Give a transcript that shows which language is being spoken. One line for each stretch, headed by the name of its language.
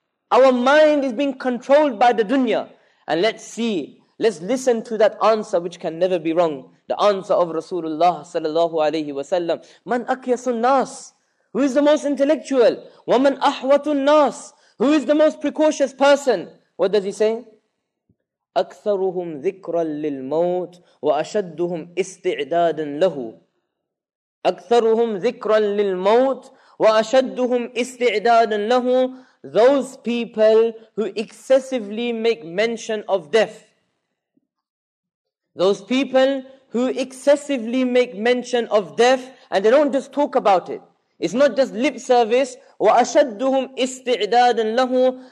English: Our mind is being controlled by the dunya. And let's see, let's listen to that answer which can never be wrong. The answer of Rasulullah sallallahu alayhi wa sallam.
Arabic: Man akyasu nas?
English: Who is the most intellectual?
Arabic: Wa man ahwatu nas?
English: Who is the most precautious person? What does he say?
Arabic: أكثرهم ذكرا للموت وأشدهم استعدادا له. أكثرهم ذكرا للموت وأشدهم استعدادا له.
English: Those people who excessively make mention of death. Those people who excessively make mention of death, and they don't just talk about it. It's not just lip service.
Arabic: وَأَشَدُّهُمْ إِسْتِعْدَادًا لَهُ.